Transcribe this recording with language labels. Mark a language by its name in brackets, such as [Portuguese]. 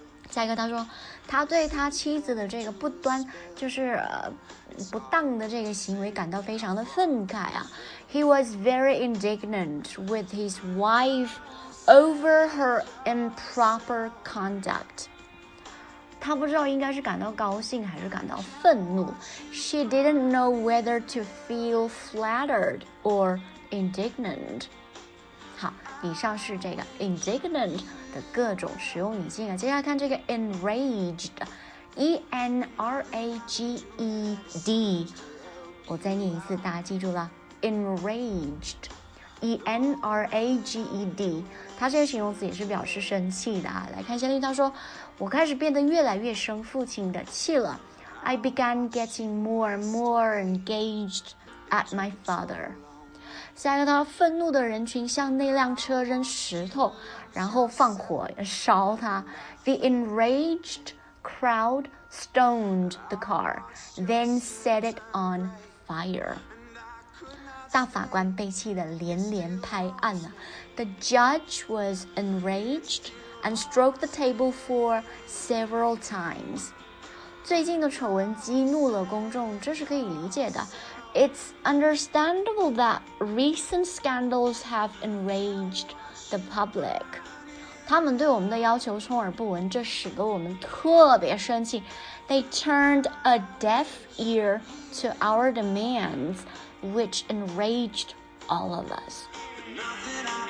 [Chinese] 下一个，他说他对他妻子的这个不端，就是不当的这个行为感到非常的愤慨啊。 [English] He was very indignant with his wife over her improper conduct. [Chinese] 他不知道应该是感到高兴还是感到愤怒。 [English] She didn't know whether to feel flattered or indignant. [Chinese] 好，以上是这个 indignant 的各种使用语境啊。接下来看这个 enraged， E-N-R-A-G-E-D， 我再念一次，大家记住了， enraged， E-N-R-A-G-E-D， 它这个形容词也是表示生气的啊。来看下面，他说我开始变得越来越生父亲的气了。 [English] I began getting more and more engaged at my father. [Chinese] 下一个，他愤怒的人群向那辆车扔石头，然后放火烧他。 [English] The enraged crowd stoned the car, then set it on fire. [Chinese] 大法官被气得连连拍案了。 [English] The judge was enraged and stroked the table for several times. [Chinese] 最近的丑闻激怒了公众，这是可以理解的。 [English] It's understandable that recent scandals have enraged the public. [Chinese] 他们对我们的要求充耳不闻，这使得我们特别生气。 [English] They turned a deaf ear to our demands, which enraged all of us.